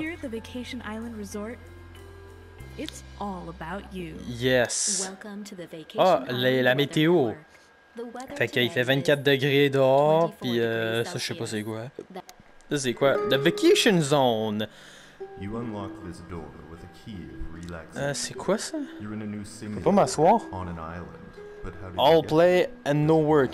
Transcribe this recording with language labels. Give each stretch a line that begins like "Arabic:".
English: Here at the Vacation Island Resort, it's all about you. Yes. Welcome to the Vacation Island Resort.
French: Ah, la météo. Fait qu'il fait 24 degrés dehors, puis ça, je sais pas c'est quoi. Ça, c'est quoi?
English: The Vacation Zone! You unlock this door with a key of relaxation.
French: C'est quoi ça?
English: You're in a new simulator.
French: Je peux pas m'asseoir?
English: On an island. But how do you all get play and no work.